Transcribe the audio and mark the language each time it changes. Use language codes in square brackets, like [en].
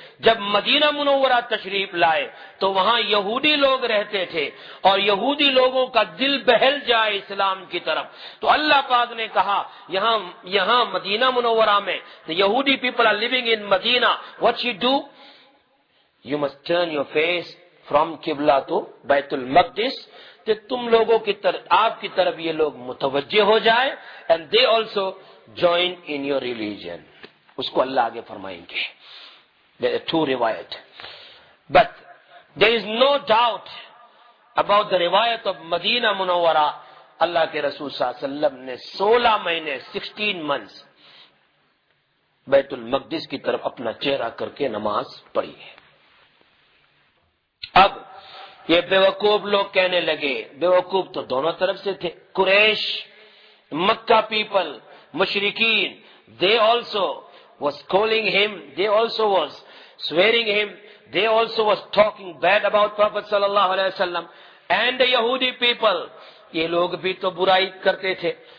[ur] جب مدینہ منورہ تشریف لائے تو وہاں یہودی لوگ رہتے تھے اور یہودی لوگوں کا دل بہل جائے اسلام کی طرف, تو اللہ پاک نے کہا یہاں مدینہ منورہ میں [en] the یہودی people are living in Medina, what you do, you must turn your face from قبلہ to بیت المقدس, [ur] تو تم لوگوں کی طرف آپ کی طرف یہ لوگ متوجہ ہو جائے, [en] and they also join in your religion. [ur] اس کو اللہ آگے فرمائیں گے. [en] There are two riwayat. But there is no doubt about the riwayat of Madinah Munawwara. [ur] Allah کے رسول صلی اللہ علیہ وسلم نے 16 مہینے [en] 16 months [ur] بیت المقدس کی طرف اپنا چہرہ کر کے نماز پڑھی ہے. اب یہ بیوقوف لوگ کہنے لگے, بیوقوف تو دونوں طرف سے تھے, قریش, مکہ people, مشرکین, [en] they also was calling him, they also was swearing him, they also was talking bad about Prophet sallallahu alaihi wasallam, and the Yahudi people, [ur] ye log bhi to burai karte the.